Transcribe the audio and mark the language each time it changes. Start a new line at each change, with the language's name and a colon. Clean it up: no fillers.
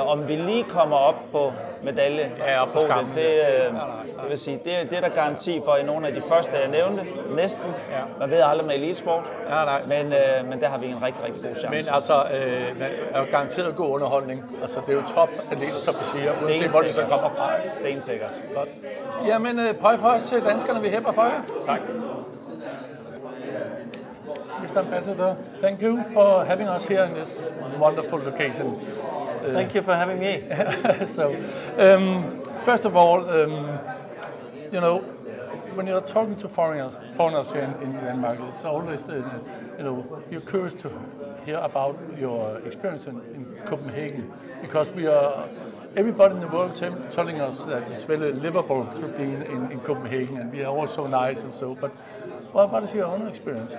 Danish: Om vi lige kommer op på medalje, ja, på skammen, det, jeg vil sige, det er der garanti for i nogle af de første, jeg nævnte. Næsten. Ja. Man ved aldrig med elitesport, men der har vi en rigtig, rigtig god chance. Men altså, er garanteret god underholdning. Altså, det er jo top atleter, som vi siger, uden at se, hvor de så kommer fra. Stensikkert. Jamen, pøj pøj til danskerne, vi hæpper for jer. Tak.
English: Mr. Ambassador, thank you for having us here in this wonderful location. Thank you for having me. So, first of all, you know, when you're talking to foreigners here in Denmark, it's always, you know, you're curious to hear about your experience in Copenhagen, because we are, everybody in the world telling us that it's very livable to be in Copenhagen, and we are all so nice and so, but well, what is your own experience?